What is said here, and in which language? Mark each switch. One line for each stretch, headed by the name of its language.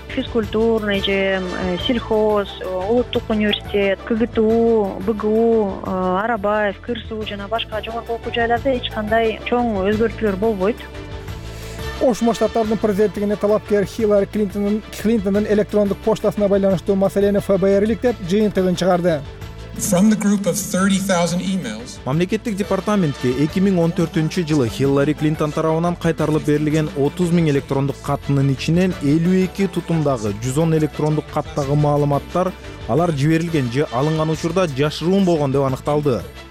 Kyrgyz: Физкультурный же сельхоз, улуттук университет, КГТУ, БГУ, Арабаев, КРСУ жана башка жогорку окуу жайларда эч кандай чоң өзгөртүүлөр болбойт. Кошмо Штаттардын президенттигине талапкер Хиллари Клинтондун электрондук почтасына байланыштуу маселени ФБР иликтеп, жыйынтыгын чыгарды.
English: From the group of 30,000 emails.
Kyrgyz: Мамлекеттик департаментке 2014 жылы Хиллари Клинтон тарабынан кайтарылып берилген 30,000 электрондук каттынын ичинен 52 тутумдагы 110 электрондук каттагы маалыматтар алар жиберилген же алынган учурда жашыруун болгон деп аныкталды.